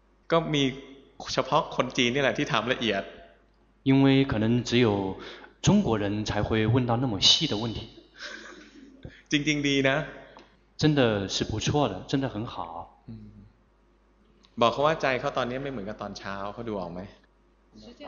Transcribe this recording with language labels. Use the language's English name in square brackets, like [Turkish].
[Thai] ก็มีเฉพาะคนจีนนี่แหละที่ถามละเอียด [Chinese] 因为可能只有中国人才会问到那么细的问题 [Thai] จริงๆดีนะ [Chinese] 真的是不错的真的很好 [Thai] บอกเขาว่าใจเขาตอนนี้ไม่เหมือนกับตอนเช้าเขาดูออกไหมใช